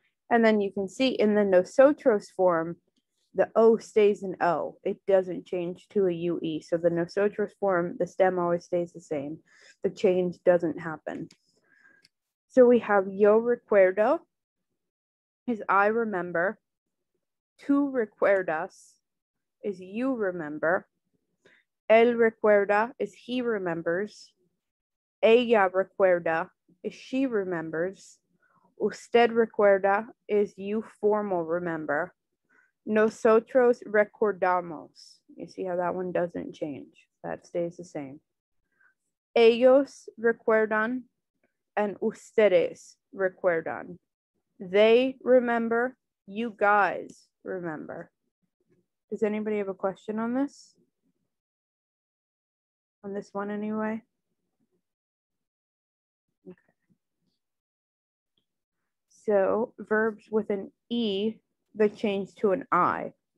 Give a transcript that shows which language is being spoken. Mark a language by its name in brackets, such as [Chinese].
[English] And then you can see in the Nosotros form, the O stays an O. It doesn't change to a UE. So the Nosotros form, the stem always stays the same. The change doesn't happen. So we have [Spanish] yo recuerdo, [English] is I remember. [Spanish] Tú recuerdas, [English] is you remember. [Spanish] Él recuerda, [English] is he remembers. [Spanish] Ella recuerda, [English] is she remembers. [Spanish] Usted recuerda, [English] is you formal remember. [Spanish] Nosotros recordamos. [English] You see how that one doesn't change. That stays the same. [Spanish] Ellos recuerdan and ustedes recuerdan. [English] They remember, you guys remember. Does anybody have a question on this? On this one anyway? So verbs with an E that change to an I.